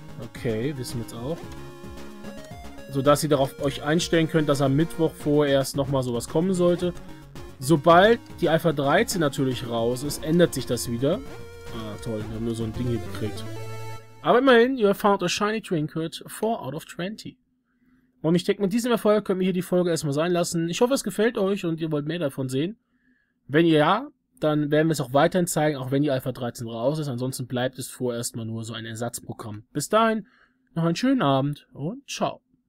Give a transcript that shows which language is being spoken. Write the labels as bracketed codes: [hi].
[de] Okay, wissen wir jetzt auch. So dass ihr darauf euch einstellen könnt, dass am Mittwoch vorerst nochmal sowas kommen sollte. Sobald die Alpha 13 natürlich raus ist, ändert sich das wieder. Ah, toll, wir haben nur so ein Ding hier gekriegt. Aber immerhin, [en] you have found a shiny trinket, 4 out of 20. [de] Und ich denke, mit diesem Erfolg können wir hier die Folge erstmal sein lassen. Ich hoffe, es gefällt euch und ihr wollt mehr davon sehen. Wenn ihr ja, dann werden wir es auch weiterhin zeigen, auch wenn die Alpha 13 raus ist. Ansonsten bleibt es vorerst mal nur so ein Ersatzprogramm. Bis dahin, noch einen schönen Abend und ciao.